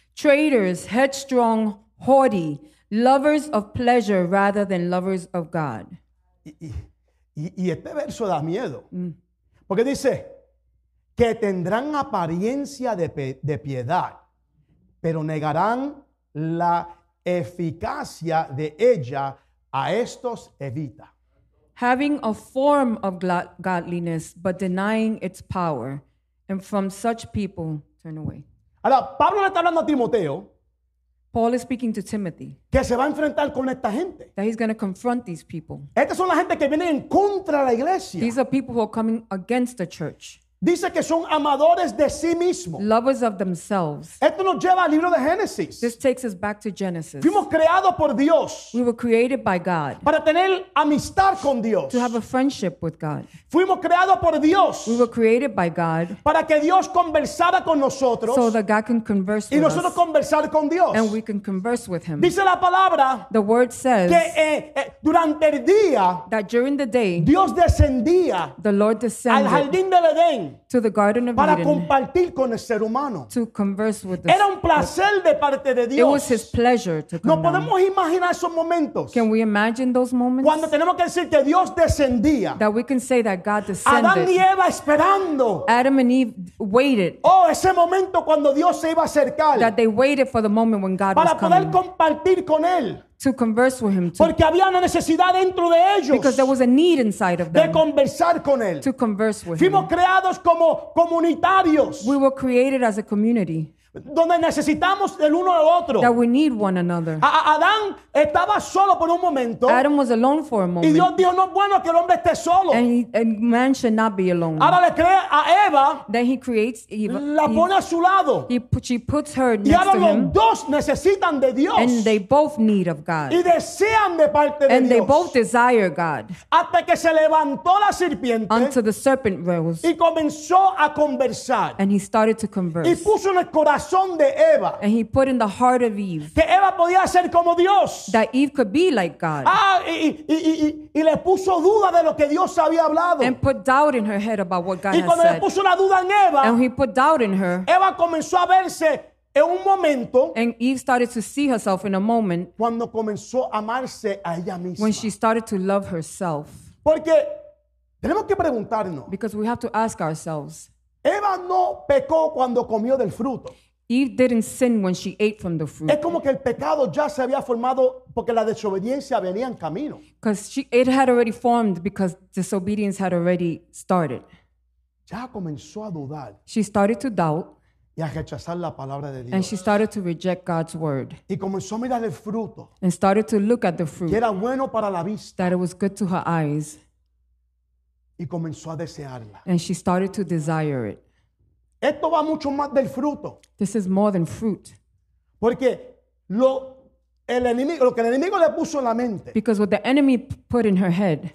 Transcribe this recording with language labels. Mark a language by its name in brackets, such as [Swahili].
[English] Traitors, headstrong, haughty, lovers of pleasure rather than lovers of God. [Spanish] Y este verso da miedo. Porque dice... que tendrán apariencia de piedad, pero negarán la eficacia de ella. A estos evita. [English] Having a form of godliness, but denying its power, and from such people turn away. [Spanish] Ahora, Pablo le está hablando a Timoteo. [English] Paul is speaking to Timothy. [Spanish] Que se va a enfrentar con esta gente. [English] That he's going to confront these people. [Spanish] Estas son la gente que viene en contra de la iglesia. [English] These are people who are coming against the church. [Spanish] Dice que son amadores de sí mismos. [English] Lovers of themselves. [Spanish] Esto nos lleva al libro de Génesis. [English] This takes us back to Genesis. [Spanish] Fuimos creados por Dios. [English] We were created by God. [Spanish] Para tener amistad con Dios. [English] To have a friendship with God. [Spanish] Fuimos creados por Dios. [English] We were created by God. [Spanish] Para que Dios conversara con nosotros. [English] So that God can converse with us. [Spanish] Y nosotros conversar con Dios. [English] And we can converse with him. [Spanish] Dice la palabra. [English] The word says. [Spanish] Que durante el día. [English] That during the day. [Spanish] Dios descendía. [English] The Lord descended. [Spanish] Al jardín del Edén. [English] To the Garden of Eden. [Spanish] Para compartir con el ser humano. [English] To converse with the [Spanish] Era un placer de parte de Dios. [English] It was his pleasure to come [Spanish] ¿No podemos imaginar esos momentos? [English] Can we imagine those moments? [Spanish] Cuando tenemos que decir que Dios descendía. [English] That we can say that God descended. [Spanish] Adán y Eva esperando. [English] Adam and Eve waited. [Spanish] Oh, ese momento cuando Dios se iba a acercar. [English] That they waited for the moment when God [Spanish] para [English] was coming. [Spanish] Para poder compartir con él. [English] To converse with him. [Spanish] Porque había una necesidad dentro de ellos. [English] Because there was a need inside of them. [Spanish] De conversar con él. [English] To converse with [Spanish] Fuimos [English] him. [Spanish] Creados como comunitarios. [English] We were created as a community. [Spanish] Donde necesitamos el uno al otro. [English] That we need one another. [Spanish] Adán estaba solo por un momento. [English] Adam was alone for a moment. [Spanish] Y Dios dijo, no es bueno que el hombre esté solo. [English] And man should not be alone. [Spanish] Ahora le crea a Eva. [English] Then he creates Eve. [Spanish] La pone a su lado. [English] She puts her next [Spanish] y ahora [English] to [Spanish] los [English] him. [Spanish] Dos necesitan de Dios. [English] And they both need of God. [Spanish] Y desean de parte [English] and [Spanish] de Dios. [English] And they both desire God. [Spanish] Hasta que se levantó la serpiente. [English] Until the serpent rose. [Spanish] Y comenzó a conversar. [English] And he started to converse. [Spanish] Y puso en el corazón. De Eva. [English] And he put in the heart of Eve [Spanish] que Eva podía ser como Dios. [English] That Eve could be like God. [Spanish] Y le puso duda de lo que Dios había hablado. [English] And put doubt in her head about what God [Spanish] y [English] has said. [Spanish] Le puso una duda en Eva, [English] and he put doubt in her. [Spanish] Eva comenzó a verse en un momento, [English] and Eve started to see herself in a moment [Spanish] cuando comenzó a amarse a ella misma. [English] When she started to love herself. [Spanish] Porque tenemos que preguntarnos. [English] Because we have to ask ourselves. [Spanish] Eva no pecó cuando comió del fruto. [English] Eve didn't sin when she ate from the fruit. [Spanish] Es como que el pecado ya se había formado porque la desobediencia venía en camino. [English] It had already formed because disobedience had already started. [Spanish] Ya comenzó a dudar. [English] She started to doubt. [Spanish] Y a rechazar la palabra de Dios. [English] And she started to reject God's word. [Spanish] Y comenzó a mirar el fruto. [English] And started to look at the fruit. [Spanish] Que era bueno para la vista. [English] That it was good to her eyes. [Spanish] Y comenzó a desearla. [English] And she started to desire it. [Spanish] Esto va mucho más del fruto. [English] This is more than fruit. [Spanish] Porque lo que el enemigo le puso en la mente. [English] Because what the enemy put in her head.